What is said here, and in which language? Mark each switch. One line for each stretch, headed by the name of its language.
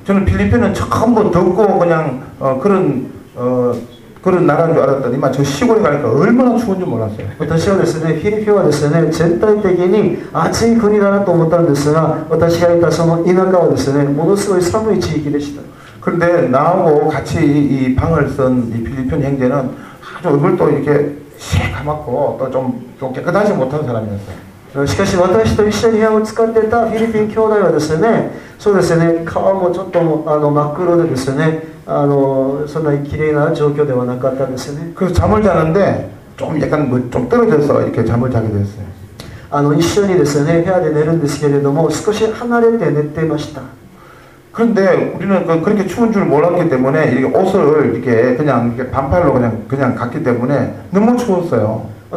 Korean: 저는 필리핀은 전부 덥고 그냥 그런 그런 나라인 줄 알았더니만 저 시골에 가니까 얼마나 추운지 몰랐어요.
Japanese: 私はですね、フィリピンはですね、全体的に暑い国だなと思ったんですが、私がいたその田舎はですね、ものすごい寒い地域でした。
Korean: 그런데 나하고 같이 이 방을 쓴 이 필리핀 형제는 아주 얼굴도 이렇게 새까맣고 또 좀 깨끗하지 못한 사람이었어요.
Japanese: しかし私と一緒に部屋を使ってたフィリピン兄弟はですね、そうですね、顔もちょっと真っ黒でですね、そんなに綺麗な状況ではなかったんですね。
Korean: 그래서 잠을 자는데 좀 약간 좀 떨어져서 이렇게 잠을 자게 됐어요.
Japanese: 一緒にですね、部屋で寝るんですけれども、少し離れて寝てました。
Korean: 근데 우리는 그렇게 추운 줄 몰랐기 때문에 이렇게 옷을 이렇게 그냥 이렇게 반팔로 그냥 갔기 때문에 너무 추웠어요.